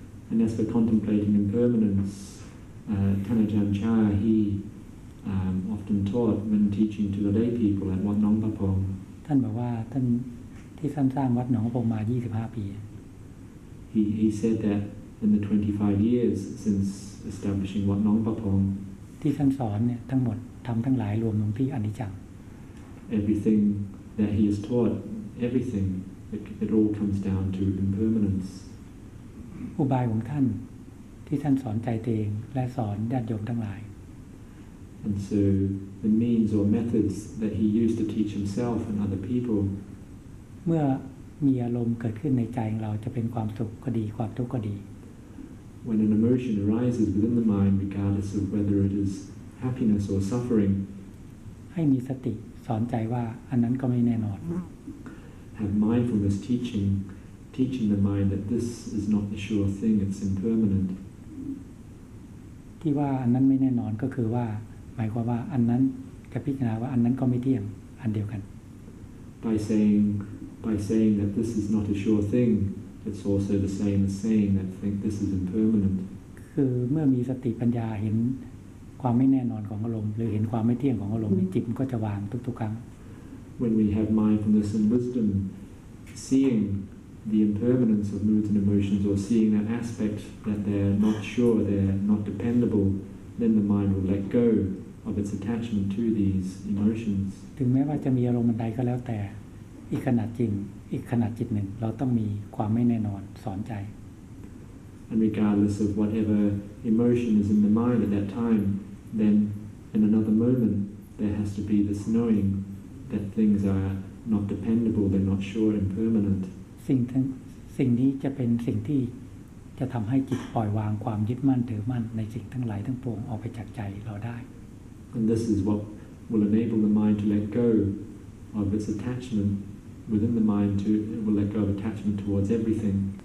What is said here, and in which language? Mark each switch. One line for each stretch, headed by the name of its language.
English: And as for contemplating impermanence Thanachan Cha he often taught when teaching to the lay people at Wat Nong Bapong
Thai: ท่านบอกว่าท่านที่สร้างวัดหนองพงมา25 ปี
English: He said that in the 25 years since establishing Wat Nong Bapong,
Thai: ที่ท่านสอนเนี่ยทั้งหมดทำทั้งหลายรวมลงที่อันนี้จัง
English: Everything that he has taught, everything it all comes down to impermanence.
Thai: อุบายของท่านที่ท่านสอนใจเองและสอนญาติโยมทั้งหลาย
English: And so the means or methods that he used to teach himself and other people.
Thai: เมื่อมีอารมณ์เกิดขึ้นในใจของเราจะเป็นความสุขก็ดีความทุกข์ก็ดี
English: When an emotion arises within the mind regardless of whether it is happiness or suffering
Thai: ให้มีสติสอนใจว่าอันนั้นก็ไม่แน่นอน
English: Have mindfulness teaching the mind that this is not a sure thing it's impermanent
Thai: ที่ว่าอันนั้นไม่แน่นอนก็คือว่าหมายความว่าอันนั้นจะพิจารณาว่าอันนั้นก็ไม่เที่ยงอันเดียวกัน
English: By saying that this is not a sure thing, it's also the same as saying that think this is impermanent.
Thai: คือเมื่อมีสติปัญญาเห็นความไม่แน่นอนของอารมณ์หรือเห็นความไม่เที่ยงของอารมณ์จิตมันก็จะวางทุกๆครั้ง
English: When we have mindfulness and wisdom, seeing the impermanence of moods and emotions, or seeing that aspect that they're not sure, they're not dependable, then the mind will let go of its attachment to these emotions.
Thai: ถึงแม้ว่าจะมีอารมณ์ใดก็แล้วแต่อีกขนาดจริงอีกขนาดจิตหนึ่งเราต้องมีความไม่แน่นอนสอนใจ
English: And regardless of whatever emotion is in the mind at that time then in another moment there has to be this knowing that things are not dependable they're not sure and permanent
Thai: สิ่งนี้จะเป็นสิ่งที่จะทําให้จิตปล่อยวางความยึดมั่นถือมั่นในสิ่งทั้งหลายทั้งปวงออกไปจากใจเราได้
English: And this is what will enable the mind to let goof its attachment within the mind to it will let go of attachment towards everything